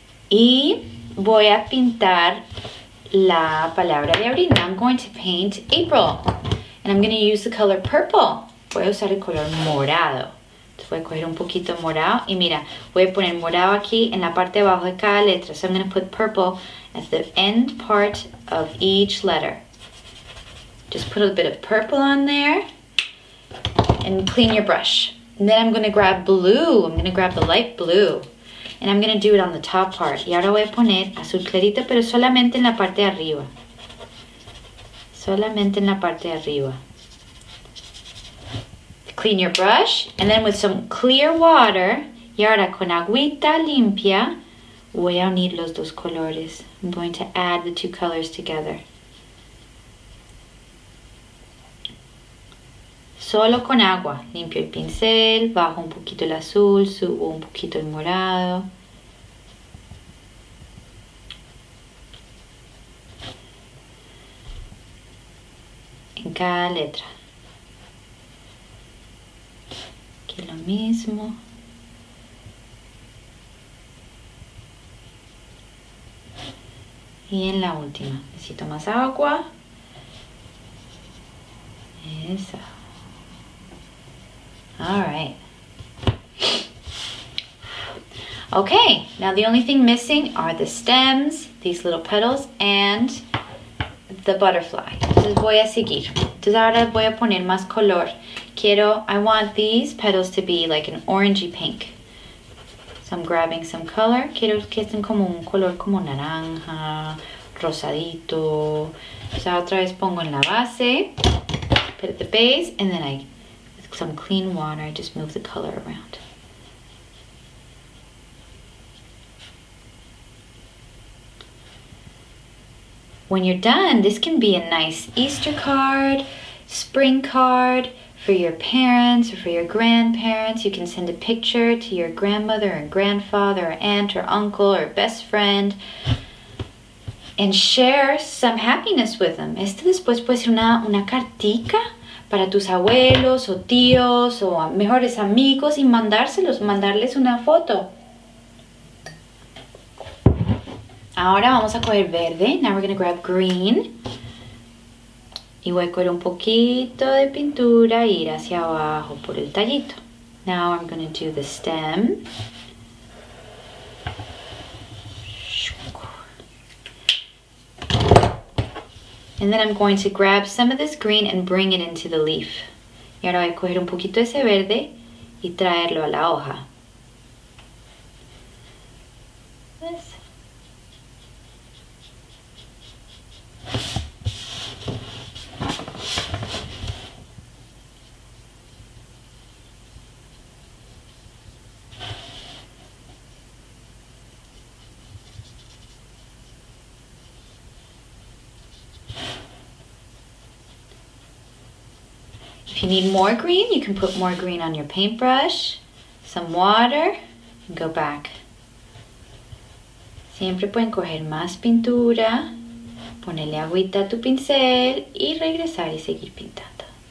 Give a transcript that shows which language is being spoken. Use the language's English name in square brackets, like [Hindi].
[Spanish] Y voy a pintar la palabra de abril. [English] I'm going to paint April. And I'm going to use the color purple. [Spanish] Voy a usar el color morado. Entonces voy a coger un poquito morado. Y mira, voy a poner morado aquí en la parte de abajo de cada letra. [English] So I'm going to put purple at the end part of each letter. Just put a bit of purple on there. And clean your brush. And then I'm going to grab blue. I'm going to grab the light blue. And I'm going to do it on the top part. [Spanish] Y ahora voy a poner azul clarito, pero solamente en la parte de arriba. Solamente en la parte de arriba. [English] Clean your brush. And then with some clear water, [Spanish] y ahora con agüita limpia, voy a unir los dos colores. [English] I'm going to add the two colors together. [Spanish] Solo con agua, limpio el pincel, bajo un poquito el azul, subo un poquito el morado. En cada letra. Aquí lo mismo. Y en la última, necesito más agua. Esa. [English] All right. Okay, now the only thing missing are the stems, these little petals, and the butterfly. [Spanish] Entonces voy a seguir. Entonces ahora voy a poner más color. Quiero, [English] I want these petals to be like an orangey pink. So I'm grabbing some color. [Spanish] Quiero que estén como un color como naranja, rosadito. [English] So [Spanish] otra vez pongo en la base, [English] put at the base, and then I, with some clean water, I just move the color around. When you're done, this can be a nice Easter card, spring card, for your parents or for your grandparents. You can send a picture to your grandmother or grandfather or aunt or uncle or best friend and share some happiness with them. [Spanish] Esto después puede ser una cartica para tus abuelos o tíos o mejores amigos y mandárselos, mandarles una foto. Ahora vamos a coger verde. [English] Now we're going to grab green. [Spanish] Y voy a coger un poquito de pintura e ir hacia abajo por el tallito. [English] Now I'm going to do the stem. And then I'm going to grab some of this green and bring it into the leaf. [Spanish] Y ahora voy a coger un poquito de ese verde y traerlo a la hoja. [English] If you need more green, you can put more green on your paintbrush, some water, and go back. [Spanish] Siempre pueden coger más pintura, ponerle agüita a tu pincel y regresar y seguir pintando.